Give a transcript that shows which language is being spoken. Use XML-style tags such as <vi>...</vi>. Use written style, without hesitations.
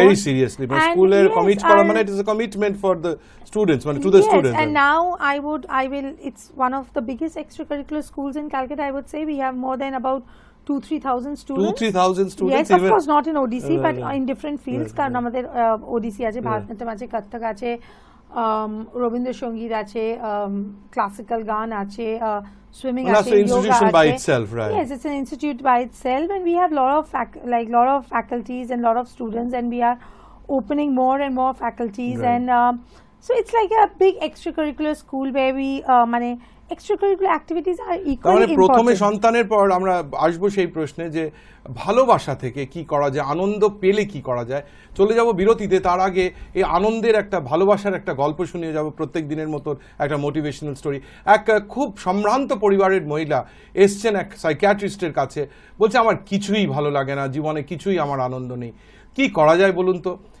<en>very seriously,</en> <bn>মানে স্কুলের commit করা মানে</bn> <en>It is a commitment for the students, মানে to the students, and now I would I will it's one of the biggest extra curricular schools in Calcutta, I would say we have more than about 2-3,000 students. 2-3,000 students? Yes, of course, not in Odissi, but in different fields.</en> <bn>কারণ আমাদের ওডিসি আছে, ভারতনাট্যম আছে, কত্থক আছে, রবীন্দ্রসঙ্গীত আছে, classical গান আছে, swimming আছে,</bn> <en>Institution by itself, right? Yes, it's an institute by itself, and we have lot of like lot of faculties and lot of students, and we are opening more and more faculties, and so it's like a big extracurricular school where we মানে extracurricular activities are equally important.</en> <bn>মানে প্রথমে সন্তানের পর আমরা আসব সেই প্রশ্নে যে ভালোবাসা থেকে কি করা যায়, আনন্দ পেলে কি করা যায়, চলে যাব বিরতিতে, তার আগে এই আনন্দের একটা ভালোবাসার একটা গল্প শুনিয়ে যাব, প্রত্যেক দিনের মতো একটা মোটিভেশনাল স্টোরি। এক খুব সম্ভ্রান্ত পরিবারের মহিলা এসছেন এক সাইকিয়াট্রিস্টের কাছে, বলছে আমার কিছুই ভালো লাগে না, জীবনে কিছুই আমার আনন্দ নেই, কি করা যায় বলুন তো?</bn>